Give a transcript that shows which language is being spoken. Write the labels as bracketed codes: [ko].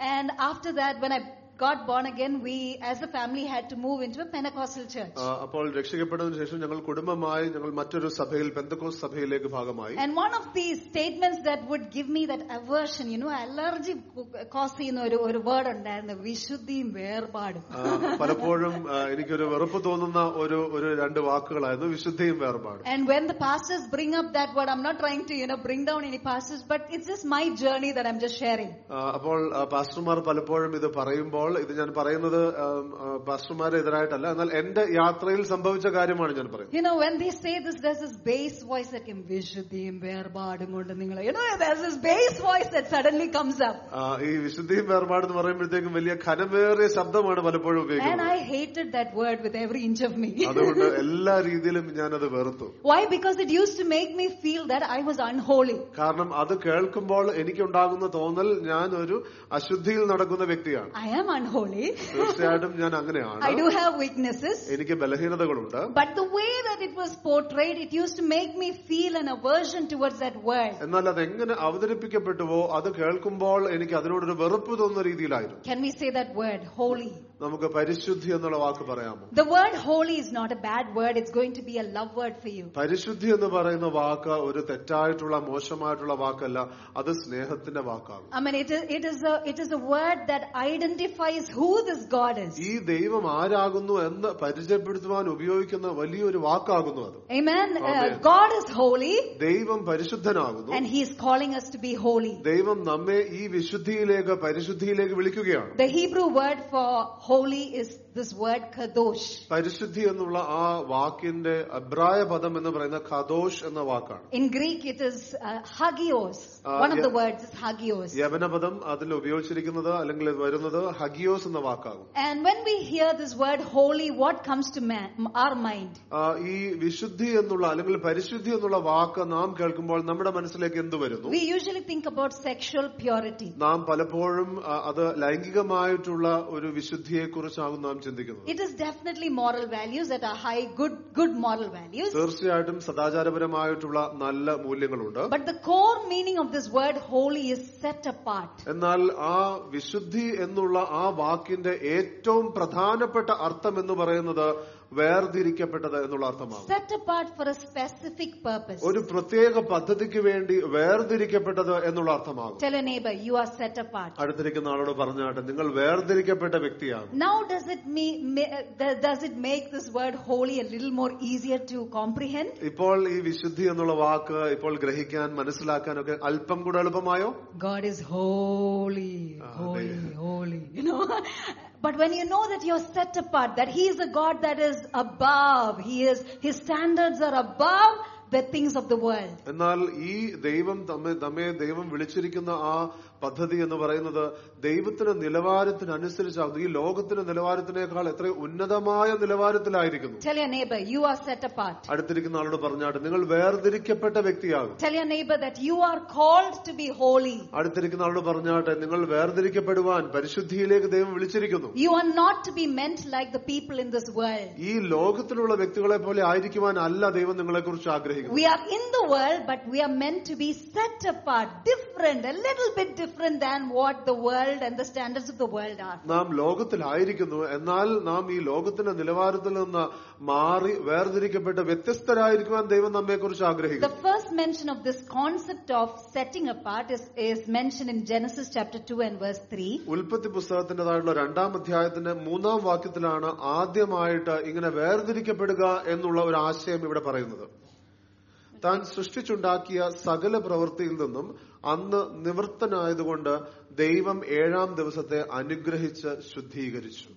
[en] And after that when I got born again, we as a family had to move into a Pentecostal church. [ml] അപ്പോൾ രക്ഷിക്കപ്പെട്ടതിനു ശേഷം ഞങ്ങൾ കുടുംബമായി ഞങ്ങൾ മറ്റൊരു സഭയിൽ പെന്തക്കോസ് സഭയിലേക്ക് ഭാഗമായി. [en] And one of the statements that would give me that aversion, you know, allergy cause [ml] ചെയ്യുന്ന ഒരു വേർഡ് ഉണ്ടായിരുന്നു, വിശുദ്ധിയും വേർപാടും. പലപ്പോഴും എനിക്കൊരു വെറുപ്പ് തോന്നുന്ന ഒരു രണ്ട് വാക്കുകളായിരുന്നു, വിശുദ്ധിയും വേർപാടും. [en] And when the pastors bring up that word, I'm not trying to, you know, bring down any pastors, but it's just my journey that I'm just sharing. [ml] അപ്പോൾ പാസ്റ്റർമാർ പലപ്പോഴും ഇത് പറയും. ഇത് ഞാൻ പറയുന്നത് പാസ്റ്റർമാരെ എതിരായിട്ടല്ല, എന്നാൽ എന്റെ യാത്രയിൽ സംഭവിച്ച കാര്യമാണ് ഞാൻ പറയുന്നത്. [en] You know, when they say this, there's this bass voice that came, [ml] വിശുദ്ധിയും വേർപാടും കൊണ്ട് നിങ്ങൾ, [en] you know, there's this bass voice that suddenly comes up. [ml] ഈ വിശുദ്ധിയും വേർപാടും എന്ന് പറയുമ്പോഴത്തേക്കും വലിയ ഖനമേറിയ ശബ്ദമാണ് പലപ്പോഴും ഉപയോഗിക്കുന്നത്. [en] And I hated that word with every inch of me. [ml] അതുകൊണ്ട് എല്ലാ രീതിയിലും ഞാൻ അത് വെറുത്തു. [en] Why? Because it used to make me feel that I was unholy. [ml] കാരണം അത് കേൾക്കുമ്പോൾ എനിക്ക് ഉണ്ടാകുന്ന തോന്നൽ ഞാൻ ഒരു അശുദ്ധിയിൽ നടക്കുന്ന വ്യക്തിയാണ്. [en] I am unholy. [ml] തീർച്ചയായിട്ടും ഞാൻ അങ്ങനെയാണ്. [en] I do have weaknesses. [ml] എനിക്ക് ബലഹീനതകളുണ്ട്. [en] But the way that it was portrayed, it used to make me feel an aversion towards that word. [ml] എന്നാൽ അത് എങ്ങനെ അവതരിപ്പിക്കപ്പെട്ടുവോ അത് കേൾക്കുമ്പോൾ എനിക്ക് അതിനോടൊരു വെറുപ്പ് തോന്നുന്ന രീതിയിലായിരുന്നു. [en] Can we say that word, holy? [ml] നമുക്ക് പരിശുദ്ധി എന്നുള്ള വാക്ക് പറയാമോ? [en] The word holy is not a bad word, it's going to be a love word for you. [ml] പരിശുദ്ധി എന്ന് പറയുന്ന വാക്ക് ഒരു തെറ്റായിട്ടുള്ള മോശമായിട്ടുള്ള വാക്കല്ല, അത് സ്നേഹത്തിന്റെ വാക്കാണ്. [en] Amen. It is a word that identifies who this God is. [ml] ഈ ദൈവം ആരാകുന്നു എന്ന് പരിചയപ്പെടുത്തുവാൻ ഉപയോഗിക്കുന്ന വലിയൊരു വാക്കാകുന്നു അത്. [en] Amen. God is holy. [ml] ദൈവം പരിശുദ്ധനാകുന്നു. [en] And he is calling us to be holy. [ml] ദൈവം നമ്മെ ഈ വിശുദ്ധിയിലേക്ക് പരിശുദ്ധിയിലേക്ക് വിളിക്കുകയാണ്. [en] The Hebrew word for holy is this word kadosh. [ml] പരിശുദ്ധി എന്നുള്ള ആ വാക്കിന്റെ എബ്രായ പദം എന്ന് പറയുന്ന കദോഷ് എന്ന വാക്കാണ്. [en] In Greek it is hagios. One of the words is hagios. [ml] യവന പദം അതിൽ ഉപയോഗിച്ചിരിക്കുന്നത് അല്ലെങ്കിൽ വരുന്നത് ഹഗിയോസ് എന്ന വാക്കാകും. [en] And when we hear this word holy, what comes to our mind? [ml] ഈ വിശുദ്ധി എന്നുള്ള അല്ലെങ്കിൽ പരിശുദ്ധി എന്നുള്ള വാക്ക് നാം കേൾക്കുമ്പോൾ നമ്മുടെ മനസ്സിലേക്ക് എന്ത് വരുന്നു? [en] We usually think about sexual purity. [ml] നാം പലപ്പോഴും അത് ലൈംഗികമായിട്ടുള്ള ഒരു വിശുദ്ധിയെ കുറിച്ചാകും നാം ചിന്തിക്കുന്നത്. [en] It is definitely moral values that are high, good moral values. [ml] തീർച്ചയായിട്ടും സദാചാരപരമായിട്ടുള്ള നല്ല മൂല്യങ്ങളുണ്ട്. [en] But the core meaning of this word holy is set apart. [ml] എന്നാൽ ആ വിശുദ്ധി എന്നുള്ള ആ വാക്കിന്റെ ഏറ്റവും പ്രധാനപ്പെട്ട അർത്ഥം എന്ന് പറയുന്നത് വേർതിരിക്കപ്പെട്ടത് എന്നുള്ള അർത്ഥമാണ്. [en] Set apart for a specific purpose. [ml] ഒരു പ്രത്യേക പദ്ധതിക്ക് വേണ്ടി വേർതിരിക്കപ്പെട്ടത് എന്നുള്ള അർത്ഥമാണ്. [en] Tell a neighbor, you are set apart. [ml] അടുത്തിരിക്കുന്ന ആളോട് പറഞ്ഞാട്ടെ, നിങ്ങൾ വേർതിരിക്കപ്പെട്ട വ്യക്തിയാണ്. [en] Now does it make this word holy a little more easier to comprehend? [ml] ഇപ്പോൾ ഈ വിശുദ്ധി എന്നുള്ള വാക്ക് ഇപ്പോൾ ഗ്രഹിക്കാൻ മനസ്സിലാക്കാൻ ഒക്കെ അല്പം കൂടെ എളുപ്പമായോ? [en] God is holy, holy, holy, you know. But when you know that you're set apart, that he is a God that is above, he is, his standards are above the things of the world. [ml] എന്നാൽ ഈ ദൈവം നമ്മെ ദൈവം വിളിച്ചിരിക്കുന്ന ആ പദ്ധതി എന്ന് പറയുന്നത് ദൈവത്തിന്റെ നിലവാരത്തിനനുസരിച്ചാകുന്നു. ഈ ലോകത്തിന്റെ നിലവാരത്തിനേക്കാൾ എത്ര ഉന്നതമായ നിലവാരത്തിലായിരിക്കുന്നു. [en] Tell your neighbor, you are set apart. [ml] അടുത്തിരിക്കുന്ന ആളോട് പറഞ്ഞാട്ടെ, നിങ്ങൾ വേർതിരിക്കപ്പെട്ട വ്യക്തിയാകും. [en] Tell your neighbor that you are called to be holy. [ml] അടുത്തിരിക്കുന്ന ആളോട് പറഞ്ഞാട്ടെ, നിങ്ങൾ വേർതിരിക്കപ്പെടുവാൻ പരിശുദ്ധിയിലേക്ക് ദൈവം വിളിച്ചിരിക്കുന്നു. [en] You are not to be meant like the people in this world. [ml] ഈ ലോകത്തിലുള്ള വ്യക്തികളെ പോലെ ആയിരിക്കുവാൻ അല്ല ദൈവം നിങ്ങളെ കുറിച്ച് ആഗ്രഹിക്കുന്നത്. [en] We are in the world, but we are meant to be set apart, different, a little bit different than what the world and the standards of the world are. [ml] നാം ലോകത്തിലായിരിക്കുന്നു, എന്നാൽ നാം ഈ ലോകത്തിന്റെ നിലവാരത്തിൽ നിന്ന് മാറി വേർതിരിക്കപ്പെട്ട് വ്യത്യസ്തരായിരിക്കുവാൻ ദൈവം നമ്മെ കുറിച്ച് ആഗ്രഹിക്കുന്നു. [en] The first mention of this concept of setting apart is mentioned in Genesis chapter 2 and verse 3. [ml] ഉൽപ്പത്തി പുസ്തകത്തിന്റേതായുള്ള രണ്ടാം അധ്യായത്തിന്റെ മൂന്നാം വാക്യത്തിലാണ് ആദ്യമായിട്ട് ഇങ്ങനെ വേർതിരിക്കപ്പെടുക എന്നുള്ള ഒരു ആശയം ഇവിടെ പറയുന്നത്. താൻ സൃഷ്ടിച്ചുണ്ടാക്കിയ സകല പ്രവൃത്തിയിൽ നിന്നും അന്ന് നിവൃത്തനായതുകൊണ്ട് ദൈവം ഏഴാം ദിവസത്തെ അനുഗ്രഹിച്ച് ശുദ്ധീകരിച്ചു.